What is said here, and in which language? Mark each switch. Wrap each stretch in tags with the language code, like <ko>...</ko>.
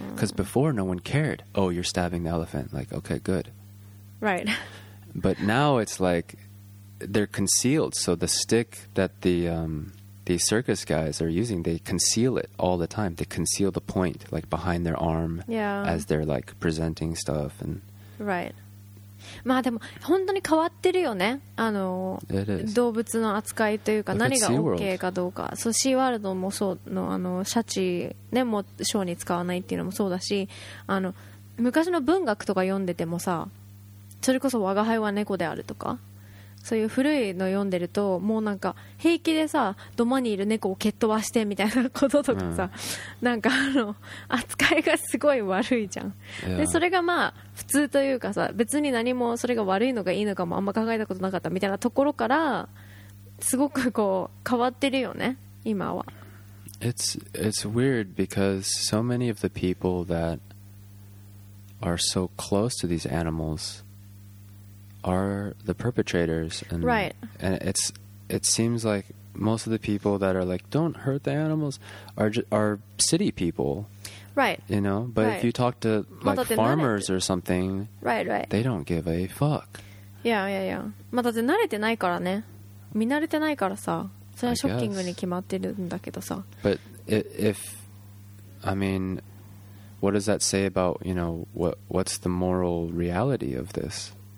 <en>Because before, no one cared. Oh, you're stabbing the elephant. Like, okay, good. Right. But now it's like, they're concealed, so the stick that the circus guys are using, they conceal it all the time. They conceal the point, like behind their arm, as they're like presenting stuff. And right.</en> <ja>まあでも本当に変わってるよね。あの動物の扱いというか何が OK かどうか。そうシーワールドもそうのあのシャチねもショーに使わないっていうのもそうだし、あの昔の文学とか読んでてもさ、それこそ我が輩は猫であるとか。そういう古いの読んでるともうなんか平気でさ土間にいる猫を蹴っ飛ばしてみたいなこととかさ、なんかあの扱いがすごい悪いじゃん、でそれがまあ普通というかさ、別に何もそれが悪いのかいいのかもあんま考えたことなかったみたいなところからすごくこう変わってるよね今は。</ja> <en>It's weird because so many of the people that are so close to these animalsare the perpetrators, and and it seems like most of the people that are like don't hurt the animals are city people, you know, but if you talk to like farmers or something, they don't give a fuck.</en> <ja>Yeah まあだって慣れてないからね、見慣れてないからさ、それはショッキングに決まってるんだけどさ。</ja> <en>But if I mean, what does that say about, you know, what's the moral reality of this?</en>